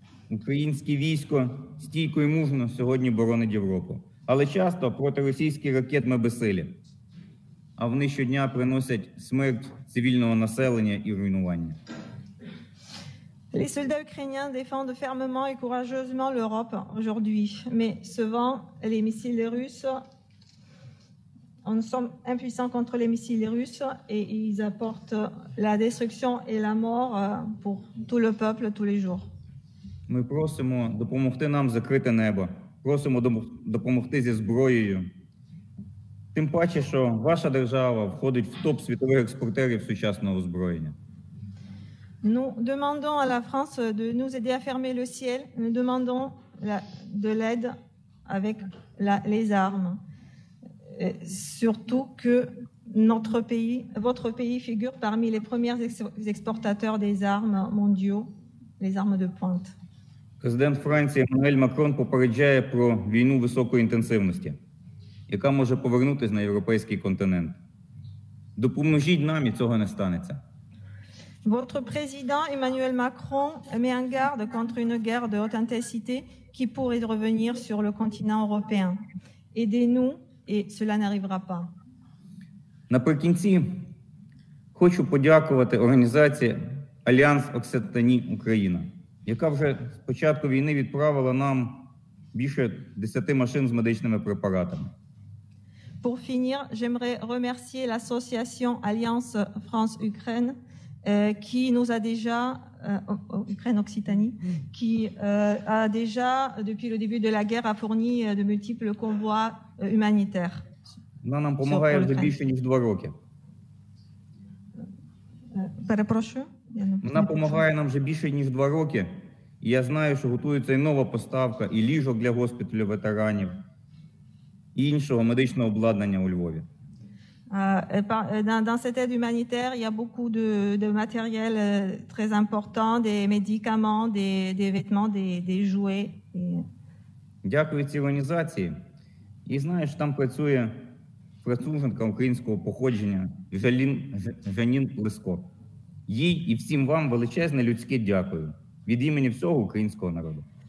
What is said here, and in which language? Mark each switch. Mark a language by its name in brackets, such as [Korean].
[Ukrainian] Українське військо стійко і мужно сьогодні боронить Європу. Але часто проти російських ракет ми безсилі. А вони щодня приносять смерть цивільного населення і руйнування. [French] Les soldats ukrainiens défendent fermement et courageusement l'Europe aujourd'hui, mais souvent les missiles russes, on est impuissant contre les missiles russes et ils apportent la destruction et la mort pour tout le peuple tous les jours. [Ukrainian] Ми просимо допомогти нам закрити небо. Просимо допомогти зі зброєю. Тим паче, що ваша держава входить в топ світових експортерів сучасного озброєння. [French] Nous demandons à la France de nous aider à fermer le ciel. Nous demandons de l'aide avec les armes. Et surtout que notre pays, votre pays, figure parmi les premiers exportateurs des armes mondiaux, les armes de pointe. Président de France [Ukrainian] Emmanuel Macron попереджає про війну високої інтенсивності, яка може повернутися на європейський континент. Допоможіть нам, і цього не станеться. [French] Votre président Emmanuel Macron met en garde contre une guerre de haute intensité qui pourrait revenir sur le continent européen. Aidez-nous et cela n'arrivera pas. [Ukrainian] Наприкінці хочу подякувати організації Альянс Окситані Україна, яка вже з початку війни відправила нам більше 10 машин з медичними препаратами. [French] Pour finir, j'aimerais remercier l'association Alliance France-Ukraine qui nous a déjà, Ukraine-Occitanie, qui a déjà, depuis le début de la guerre, a fourni de multiples convois humanitaires. [Ukrainian] Вона нам помогає вже більше ніж 2 роки. Перепрошую? Вона помогає нам вже більше ніж 2 роки. І я знаю, що готується і нова поставка, і ліжок для госпіталю ветеранів, і іншого медичного обладнання у Львові. [French] Dans cette aide humanitaire, il y a beaucoup de matériel très important, des médicaments, des vêtements, des jouets. [Ukrainian] Дякую цій організації. І знаєш, там працює француженка українського походження Жанін Лиско. Їй і всім вам величезне людське дякую від імені всього українського народу.